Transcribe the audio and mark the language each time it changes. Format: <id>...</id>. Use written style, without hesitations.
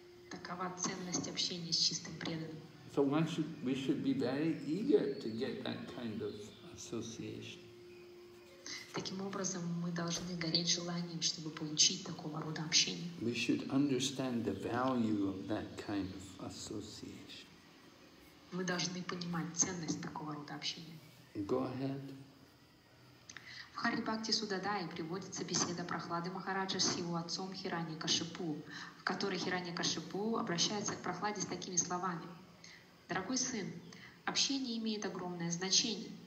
<ru>Такова ценность общения с чистым преданным.</ru> <en>So we should be very eager to get that kind of association.</en> <ru>Таким образом, мы должны гореть желанием, чтобы получить такого рода общение.</ru> <en>We should understand the value of that kind of association.</en> <ru>Мы должны понимать ценность такого рода общения.</ru> <en>Go ahead.</en> <ru>В Хари Бхакти Судадае приводится беседа Прохлады Махараджа с его отцом Хираньякашипу, в которой Хираньякашипу обращается к Прохладе с такими словами. «Дорогой сын, общение имеет огромное значение.</ru>